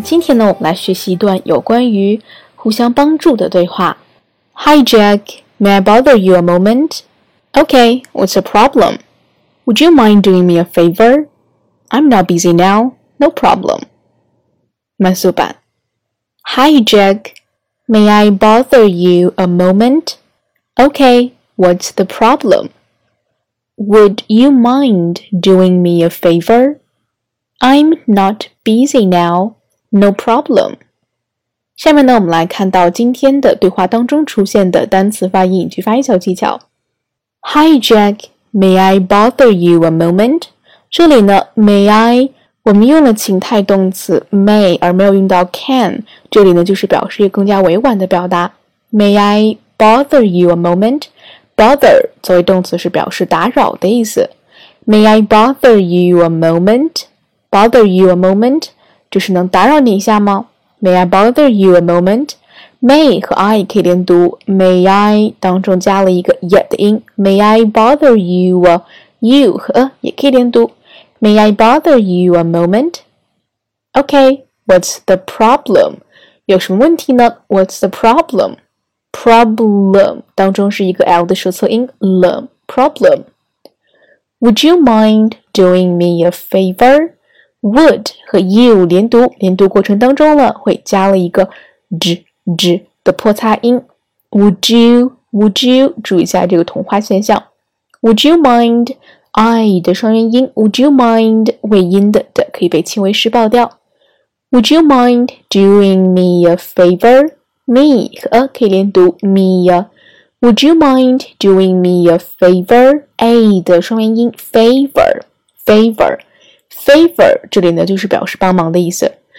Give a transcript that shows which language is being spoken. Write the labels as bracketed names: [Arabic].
[Chinese] 今天呢，我们来学习一段有关于互相帮助的对话。 [English] Hi, Jack. May I bother you a moment? Okay, what's the problem? Would you mind doing me a favor? I'm not busy now. No problem. [Chinese] 慢速版。 [English] Hi, Jack. May I bother you a moment? Okay, what's the problem? Would you mind doing me a favor? I'm not busy now, no problem. [Chinese] 下面呢，我们来看到今天的对话当中出现的单词发音以及发音小技巧。 [English] Hi Jack, may I bother you a moment? [Chinese] 这里呢 ,may I, 我们用了情态动词 may 而没有用到 can, 这里呢就是表示一个更加委婉的表达。 [English] May I bother you a moment? [Chinese] Bother 作为动词是表示打扰的意思。 [English] May I bother you a moment? Bother you a moment? [Chinese] 就是能打扰你一下吗? [English] May I bother you a moment? May 和 I [Chinese] 可以连读 [English] May I [Chinese] 当中加了一个 [English] y 的音 May I bother you a you [Chinese] 和 也可以连读 [English] May I bother you a moment? Okay, what's the problem? [Chinese] 有什么问题呢? [English] What's the problem? [Chinese] Problem 当中是一个 L 的舌侧音 lum, problem. [English] Would you mind doing me a favor? [Chinese] Would 和 you 连读，连读过程当中呢，会加了一个 z z 的破擦音。 [English] Would you [Chinese] 注意一下这个同化现象。 [English] Would you mind I [Chinese] 的双元音 [English] ？Would you mind [Chinese] 尾音的 d 可以被轻微失爆掉。 [English] Would you mind doing me a favor? [Chinese] Me 和 a 可以连读 me a。 [English] Would you mind doing me a favor? [Chinese] A 的双元音 favor。Favor 这里呢就是表示帮忙的意思。